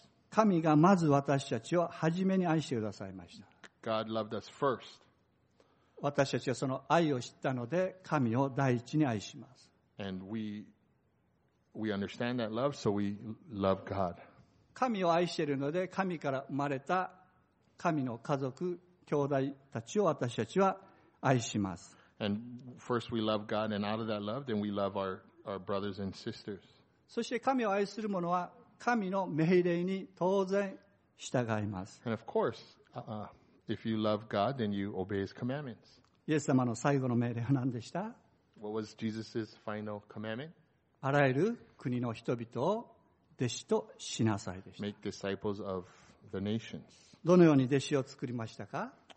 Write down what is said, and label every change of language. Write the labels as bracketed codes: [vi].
[ja] 神がまず私たちを初めに愛してくださいました。 [en] God loved us first. [ja] 私たちはその愛を知ったので神を第一に愛します。 [en] And we understand that love, so we love God. [ja] 神を愛しているので神から生まれた神の家族、兄弟たちを私たちは愛します。 [en] And first we love God, and out of that love, then we love our brothers and sisters. [ja] そして神を愛する者は神の命令に当然従います。 [en] And of course, if you love God, then you obey His commandments. [ja] イエス様の最後の命令は何でした？ [en] What was Jesus's final commandment? [ja] あらゆる国の人々を弟子としなさいでした。 [en] Make disciples of the nations. [ja] どのように弟子を作りましたか？